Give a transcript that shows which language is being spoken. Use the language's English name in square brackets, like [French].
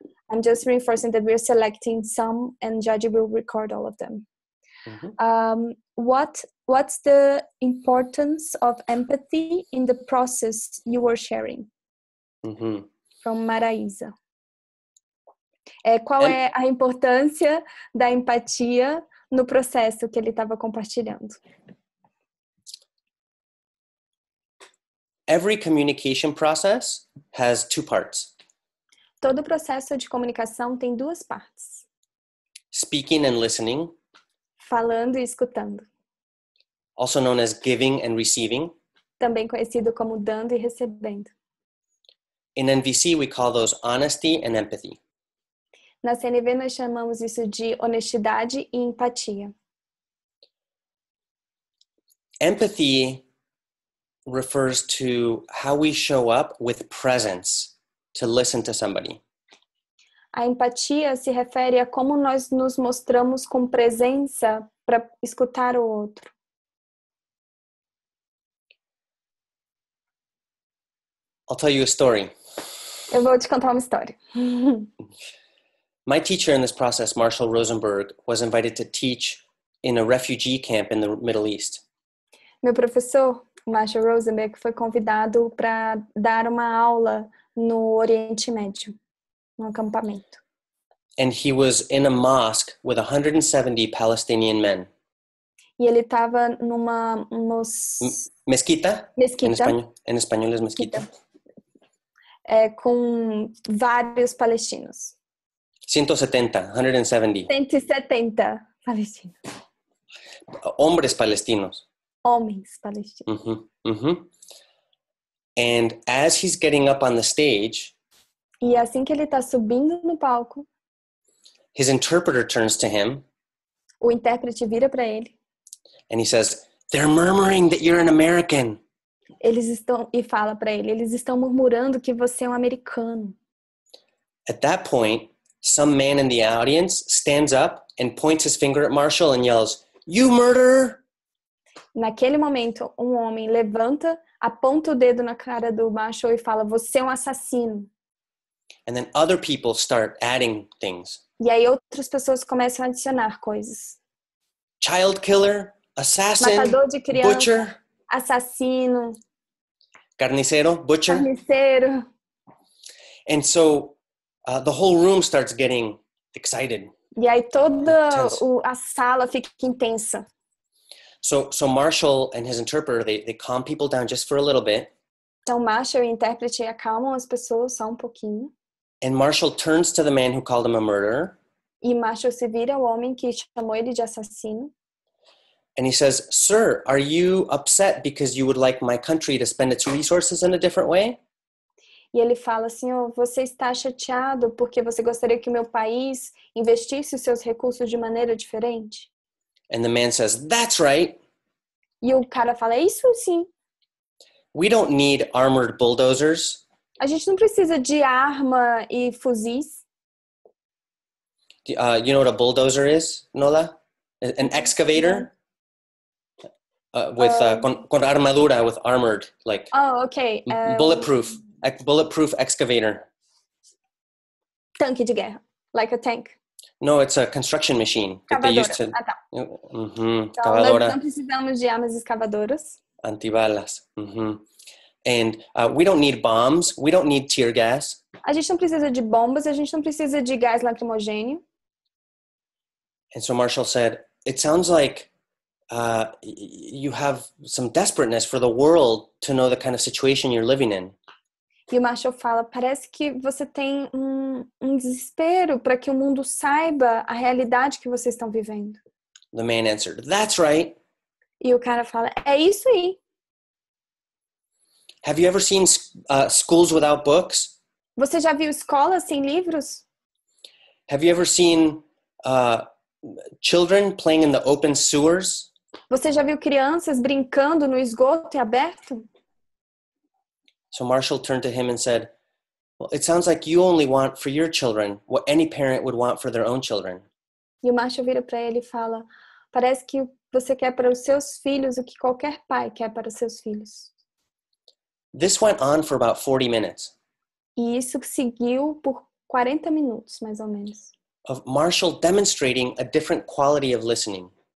[English] I'm just reinforcing that we're selecting some and Jade will record all of them. Uhum. What's the importance of empathy in the process you were sharing? Uhum. From Maraísa. [Portuguese] Qual é a importância da empatia no processo que ele estava compartilhando? [English] Every communication process has two parts. [Portuguese] Todo processo de comunicação tem duas partes. [English] Speaking and listening. [Portuguese] Falando e escutando. [English] Also known as giving and receiving. [Portuguese] Também conhecido como dando e recebendo. [English] In NVC, we call those honesty and empathy. [Portuguese] Na CNV, nós chamamos isso de honestidade e empatia. [English] Empathy refers to how we show up with presence to listen to somebody. [Portuguese] A empatia se refere a como nós nos mostramos com presença para escutar o outro. [English] I'll tell you a story. [Portuguese] Eu vou te contar uma história. [English] My teacher in this process, Marshall Rosenberg, was invited to teach in a refugee camp in the Middle East. [Portuguese] Meu professor, Marshall Rosenberg, foi convidado para dar uma aula no Oriente Médio, no acampamento. [English] And he was in a mosque with 170 Palestinian men. [Portuguese] E ele estava numa mesquita. Em espanhol é mesquita. Com vários palestinos. 170. 170 palestinos. [Spanish] Hombres palestinos. [Portuguese] Homens palestinos. Uh-huh. Uh-huh. [English] And as he's getting up on the stage, [Portuguese] e assim que ele tá subindo no palco, [English] his interpreter turns to him. [Portuguese] O intérprete vira para ele. [English] And he says, "They're murmuring that you're an American." [Portuguese] Eles estão e fala para ele, eles estão murmurando que você é um americano. [English] At that point, some man in the audience stands up and points his finger at Marshall and yells, "You murderer!" [Portuguese] Naquele momento, um homem levanta, aponta o dedo na cara do Marshall e fala, "Você é um assassino." [English] And then other people start adding things. [Portuguese] E aí outras pessoas começam a adicionar coisas. [English] Child killer, assassin, [Portuguese] matador de criança, [English] butcher, [Portuguese] assassino, [Spanish] carnicero, [English] butcher. [Spanish] Carnicero. [English] And so the whole room starts getting excited. [Portuguese] E aí toda a sala fica intensa. [English] So Marshall and his interpreter, they calm people down just for a little bit. [Portuguese] Então Marshall e o intérprete acalmam as pessoas só um pouquinho. [English] And Marshall turns to the man who called him a murderer. [Portuguese] E Marshall se vira ao homem que chamou ele de assassino. [English] And he says, "Sir, are you upset because you would like my country to spend its resources in a different way?" [Portuguese] E ele fala, "Senhor, você está chateado porque você gostaria que o meu país investisse os seus recursos de maneira diferente?" [English] And the man says, "That's right." [Portuguese] E o cara fala, "Isso sim." [English] "We don't need armored bulldozers." [Portuguese] A gente não precisa de arma e fuzis. [English] You know what a bulldozer is, Nola? An excavator? With [Spanish] con armadura, [English] with armored, like... Oh, okay. Bulletproof. Bulletproof excavator. [Portuguese] Tanque de guerra. [English] Like a tank. No, it's a construction machine. [Spanish] Cavadora. [English] That they used to... [Portuguese] Ah, tá. Uh-huh. Então, cavadora. Não precisamos de armas escavadoras. Antibalas. Uh-huh. [English] And we don't need bombs, we don't need tear gas. [Portuguese] A gente não precisa de bombas, a gente não precisa de gás lacrimogêneo. [English] And so Marshall said, "It sounds like you have some desperateness for the world to know the kind of situation you're living in." [Portuguese] E o Marshall fala, "Parece que você tem um desespero para que o mundo saiba a realidade que vocês estão vivendo." [English] The man answered, "That's right." [Portuguese] E o cara fala, "É isso aí." [English] "Have you ever seen schools without books?" [Portuguese] Você já viu escolas sem livros? [English] "Have you ever seen children playing in the open sewers?" [Portuguese] Você já viu crianças brincando no esgoto aberto? [English] So Marshall turned to him and said, "Well, it sounds like you only want for your children what any parent would want for their own children." [Portuguese] E o Marshall vira para ele e fala, "Parece que você quer para os seus filhos o que qualquer pai quer para os seus filhos." [English] This went on for about 40 minutes. [Portuguese] E isso seguiu por 40 minutos, mais ou menos. [English] Of Marshall demonstrating a different quality of listening.